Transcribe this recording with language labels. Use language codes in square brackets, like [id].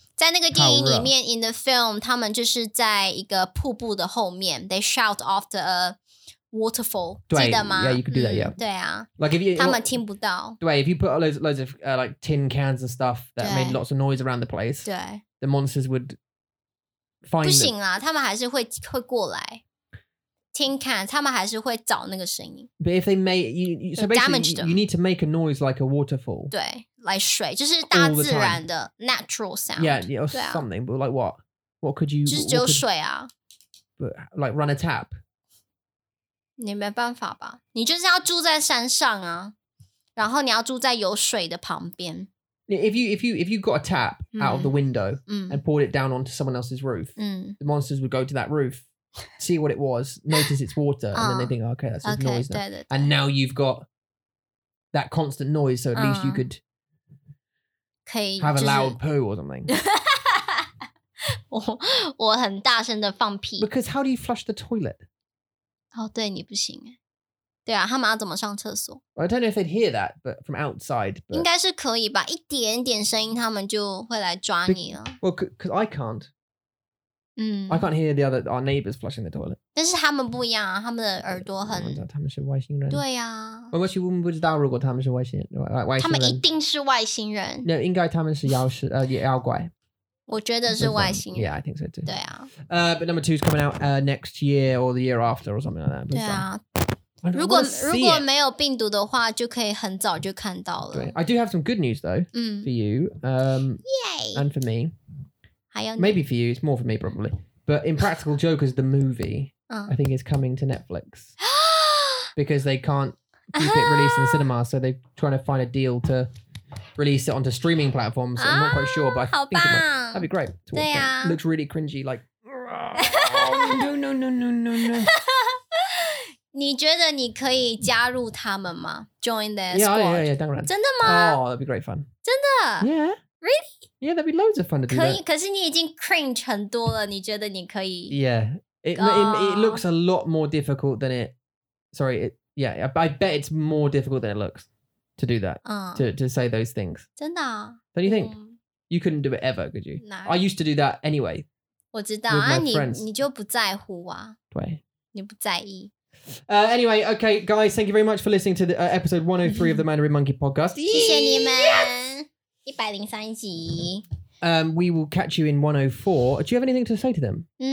[zh] 在那个电影里面, [en] in the film, [zh] 他们就是在一个瀑布的后面, [en] they shout after a waterfall, [zh] 记得吗? [en] Yeah, you could do that, yeah. [zh] 对啊。 [en] Like if you, [zh] 他们听不到。 [en] 对, if you put loads of like tin cans and stuff that made lots of noise around the place, [zh] 对, [en] the monsters would... [zh] 不行啦，他们还是会过来。 Tin can, 他们还是会找那个声音。 [en] But if they make, so basically, you need to make a noise like a waterfall. [zh] 对 like 水，就是大自然的 [en] natural sound. Yeah, or something, but like what? What could you? [zh] 就是只有水啊。 [en] But like run a tap? [zh] 你没办法吧？你就是要住在山上啊，然后你要住在有水的旁边。 [en] If you got a tap out of the window and poured it down onto someone else's roof, the monsters would go to that roof, see what it was, notice it's water, and then they think, oh, okay, that's just noise now. [zh] 对对对 [en] and now you've got that constant noise, so at least you could have a loud poo or something. [zh] 我很大声的放屁 [en] Because how do you flush the toilet? [zh] Oh, 对你不行对啊，他们要怎么上厕所 [en] ？I don't know if they'd hear that, but from outside, but... [zh] 应该是可以吧？一点点声音，他们就会来抓你了。 [en] Well, because I can't. I can't hear the other our neighbors flushing the toilet. [zh] 但是他们不一样，他们的耳朵很。他们是外星人。对呀。我们是问不知道，如果他们是外星人，外外外星。他们一定是外星人。 No, 应该他们是妖是妖怪。我觉得是外星人。 [en] Yeah, I think so too. [zh] 对啊。 [en] But number two is coming out next year or the year after or something like that. [zh] 对啊。如果没有病毒的话，就可以很早就看到了。 [en] I do have some good news though for you. Yay! And for me. [zh] 还有你? [en] Maybe for you, it's more for me probably. But Impractical Jokers, the movie, I think is coming to Netflix. Because they can't keep it released in the cinema, so they're trying to find a deal to release it onto streaming platforms. I'm not quite sure, but I think it might. That'd be great to watch. Yeah. It looks really cringy, like... No. [zh] 你觉得你可以加入他们吗? [en] Join their squad? Yeah, [zh] 当然. 真的吗? [en] Oh, that'd be great fun. [zh] 真的? [en] Yeah. Really? Yeah, there'd be loads of fun to do [zh] 可以, [en] that. [zh] 可是你已经 cringe很多了, 你觉得你可以... [en] Yeah. It looks a lot more difficult than it... Sorry, it, yeah, I bet it's more difficult than it looks to do that, to say those things. [zh] 真的啊? [en] Don't you think? You couldn't do it ever, could you? No. I used to do that anyway. [zh] 我知道啊，你就不在乎啊。对。你不在意。 [en] Anyway, okay, guys, thank you very much for listening to the episode 103 of the Mandarin Monkey podcast. [zh] 谢谢你们。 [en] Yes! We will catch you in 104. Do you have anything to say to them?